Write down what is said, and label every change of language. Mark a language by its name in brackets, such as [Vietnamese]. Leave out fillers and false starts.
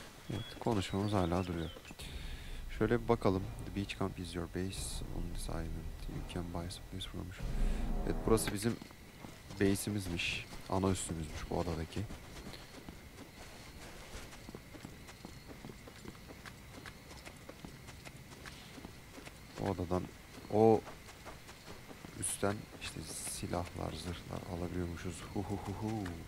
[Turkish] Evet, konuşmamız hala duruyor. Şöyle bir bakalım. [English] The beach camp is your base on this island. You can buy supplies from. [Turkish] Evet, burası bizim base'imizmiş. Ana üssümüzmüş bu adadaki. O adadan o üstten işte silahlar, zırhlar alabiliyormuşuz. Huhuhuhu.